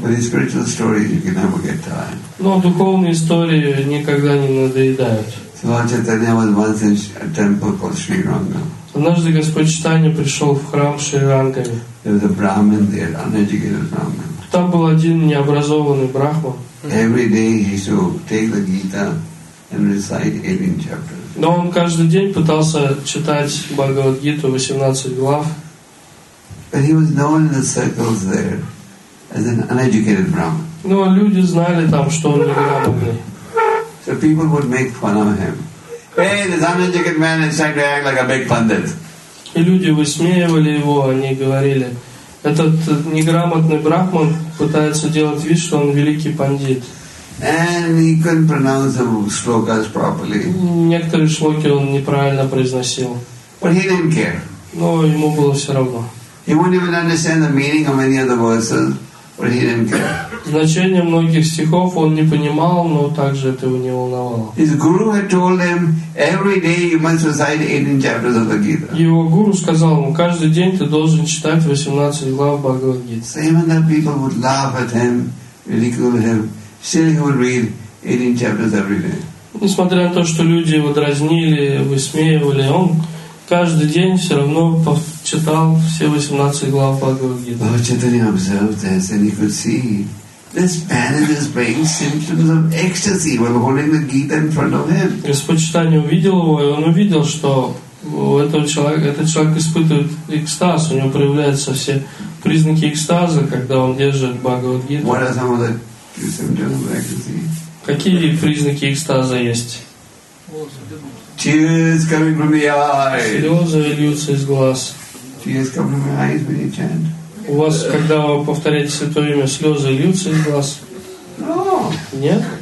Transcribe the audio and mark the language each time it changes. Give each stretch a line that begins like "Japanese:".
English: Spiritual stories, you can never get tired.
Russian: Но духовные истории никогда не надоедают. Однажды Господь Чайтанья пришел в храм Шри Рангами.
English: There was a Brahmin there, uneducated Brahmin.
Russian: Там был один необразованный брахман.
English: Every day he used to take the Gita and recite 18 chapters.
Russian: Но он каждый день пытался читать Бхагавад-гиту 18 глав.
English: But he was known in the circles there as an uneducated Brahmin.
Russian: Но люди знали там, что он неграмотный.
English: So people would make fun of him. Hey, this uneducated man is trying to act like a big pundit.
Russian: И люди высмеивали его, они говорили: этот неграмотный брахман пытается делать вид, что он великий пандит.
English: And he couldn't pronounce the shlokas properly.
Russian: Некоторые шлоки он неправильно произносил.
English: But he didn't care.
Russian: Но ему было все равно.
English: He wouldn't even understand the meaning of any of the verses. But he didn't care.
Russian: Значение многих стихов он не понимал, но также это его не волновало.
English: His guru had told him every day you must recite 18 chapters of the Gita.
Russian: Его гуру сказал ему: каждый день ты должен читать 18 глав Бхагавад-гиты.
English: So even though people would laugh at him, ridicule him, still he would read 18 chapters every day.
Russian: Несмотря на то, что люди его дразнили, высмеивали, он каждый день все равно читал все 18 глав Бхагавад-гиты.
English: Lord Chaitanya observed this and he could see this man is displaying symptoms of ecstasy while holding the Gita in front of him.
Russian: Господь Чайтанья увидел его, и он увидел, что этот человек испытывает экстаз, у него проявляются все признаки экстаза, когда он держит Бхагавад-гиту.
English: What are some of the symptoms of ecstasy?
Russian: Какие признаки экстаза есть?
English: Tears coming from the eyes.
Russian: Слезы льются из глаз.
English: Tears coming from the eyes when you chant.
Russian: У вас, когда вы повторяете святое имя, слезы льются из глаз?
English: No.
Russian: Нет?